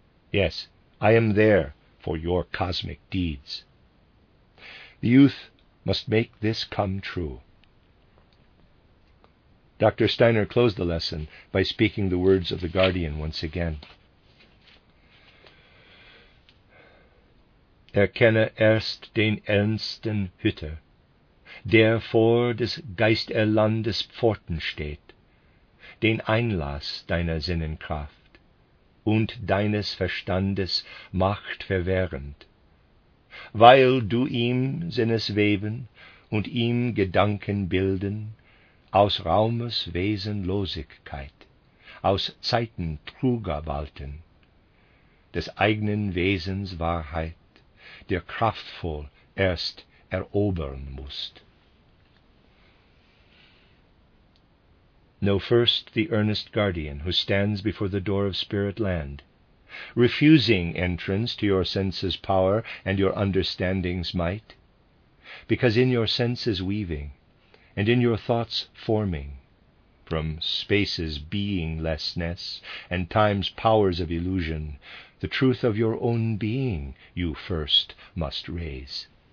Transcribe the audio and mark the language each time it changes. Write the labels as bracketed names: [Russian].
[English] Yes, I am there for your cosmic deeds. The youth must make this come true. Dr. Steiner closed the lesson by speaking the words of the guardian once again. [German] Erkenne erst den ernsten Hüter, der vor des Geisterlandes Pforten steht, den Einlass deiner Sinnenkraft und deines Verstandes Macht verwehrend, weil du ihm Sinnesweben und ihm Gedanken bilden aus Raumes Wesenlosigkeit, aus Zeiten Truger walten, des eigenen Wesens Wahrheit, der kraftvoll erst erobern musst. [English] Know first the earnest guardian who stands before the door of spirit land, refusing entrance to your senses' power and your understanding's might, because in your senses weaving and in your thoughts forming, from space's beinglessness and time's powers of illusion, the truth of your own being you first must raise.